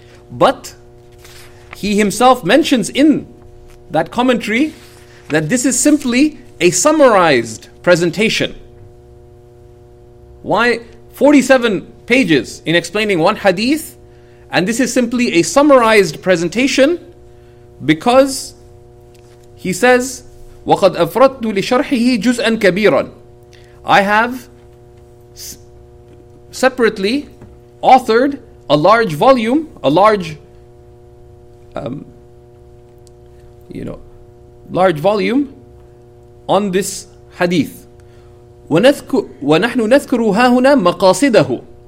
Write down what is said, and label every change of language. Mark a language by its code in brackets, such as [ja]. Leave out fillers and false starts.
[en] But he himself mentions in that commentary that this is simply a summarized presentation. Why 47 pages in explaining one hadith, and this is simply a summarized presentation? Because he says, [ar] وَقَدْ أَفْرَدْتُ لِشَرْحِهِ جُزْءًا كَبِيرًا. [en] I have separately authored a large volume, a large, large volume on this hadith. [ar] وَنَحْنُ نَذْكُرُ هَاهُنَا مَقَاصِدَهُ.